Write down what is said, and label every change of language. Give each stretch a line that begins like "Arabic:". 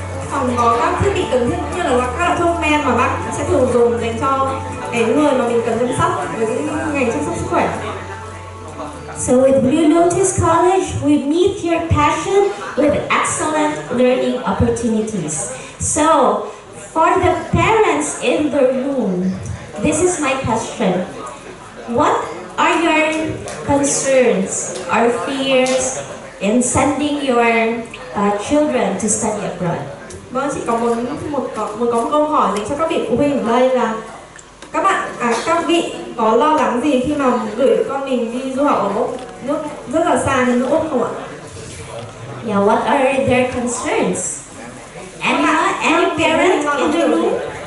Vietnamese: Phòng có các thiết bị cần thiết như là các loại thuốc men mà bác sẽ thường dùng dành cho cái người mà mình cần chăm sóc với những ngành chăm sóc sức khỏe.
English: So with Blue Lotus College, we meet your passion with excellent learning opportunities. So for the parents in the room, this is my question. What are your concerns or fears in sending your children to study abroad?
Vietnamese: Vâng, chị có một câu hỏi dành cho các vị phụ huynh ở đây là các bạn, các vị có lo lắng gì khi mà gửi con mình đi du học ở nước rất là xa như nước Úc không ạ?
English: Yeah, what are their concerns? Any parent in the room?